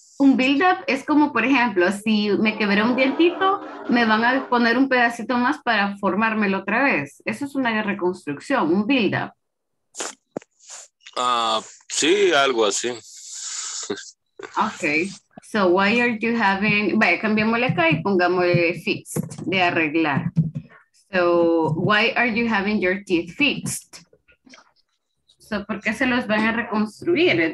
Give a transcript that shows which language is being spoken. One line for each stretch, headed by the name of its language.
Spanish: Un build-up es como, por ejemplo, si me quebré un dientito, me van a poner un pedacito más para formármelo otra vez. Eso es una reconstrucción, un build-up. Sí, algo así.
English: Ok. So, why are you having...
Spanish: Vaya, cambiémosle acá y pongámosle fixed, de arreglar.
English: So, why are you having your teeth fixed? So,
Spanish: ¿por qué se los van a reconstruir?